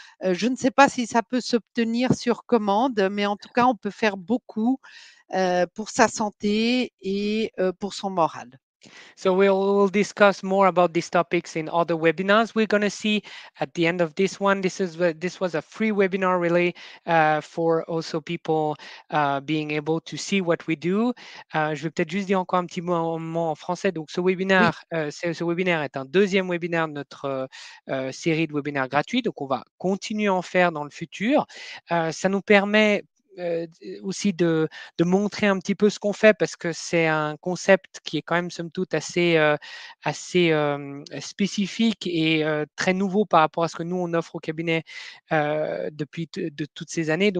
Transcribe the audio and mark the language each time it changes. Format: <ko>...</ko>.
<fr>Je ne sais pas si ça peut s'obtenir sur commande, mais en tout cas, on peut faire beaucoup pour sa santé et pour son moral.</fr> <en>So we'll discuss more about these topics in other webinars. We're going to see at the end of this one. This was a free webinar, really, for also people being able to see what we do.</en> <fr>Je vais peut-être juste dire encore un petit mot en français. Donc, ce webinaire, oui. Ce webinaire est un deuxième webinaire de notre série de webinaires gratuits. Donc, on va continuer à en faire dans le futur. Ça nous permet aussi de montrer un petit peu ce qu'on fait, parce que c'est un concept qui est quand même somme toute assez assez spécifique et très nouveau par rapport à ce que nous on offre au cabinet depuis de toutes ces années.</fr>